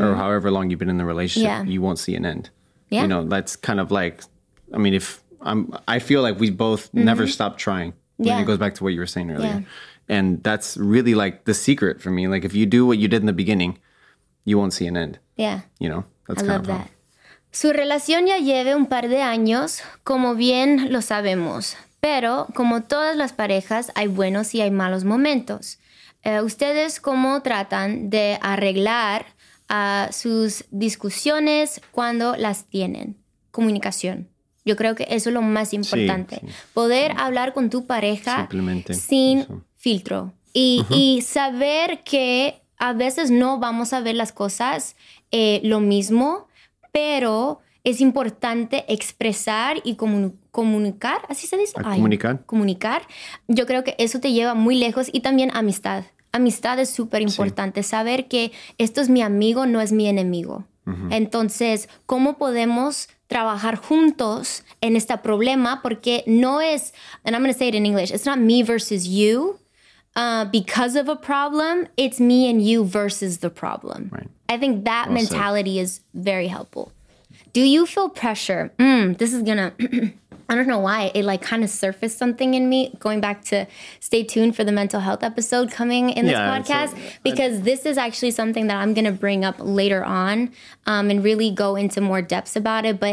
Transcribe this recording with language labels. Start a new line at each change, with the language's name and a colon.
English: or however long you've been in the relationship, you won't see an end. Yeah. You know, that's kind of like, I mean, I feel like we both mm-hmm. never stop trying. Yeah. And it goes back to what you were saying earlier. Yeah. And that's really like the secret for me. Like if you do what you did in the beginning, you won't see an end. Yeah. You know, that's kind of that.
Spanish: Su relación ya lleva un par de años, como bien lo sabemos. Pero como todas las parejas, hay buenos y hay malos momentos. ¿Ustedes cómo tratan de arreglar sus discusiones cuando las tienen? Comunicación. Yo creo que eso es lo más importante. Sí, sí. Poder hablar con tu pareja sin filtro. Y, y saber que a veces no vamos a ver las cosas lo mismo, pero es importante expresar y comunicar. ¿Así se dice? Comunicar. Comunicar. Yo creo que eso te lleva muy lejos y también amistad. amistad es súper importante. Sí. Saber que esto es mi amigo, no es mi enemigo. Uh-huh. Entonces, ¿cómo podemos trabajar juntos en este problema? Porque no es,
English: and I'm going to say it in English, it's not me versus you because of a problem. It's me and you versus the problem. Right. I think that awesome. Mentality is very helpful. Do you feel pressure? This is going to, I don't know why, it like kind of surfaced something in me, going back to stay tuned for the mental health episode coming in this podcast, because this is actually something that I'm going to bring up later on and really go into more depths about it.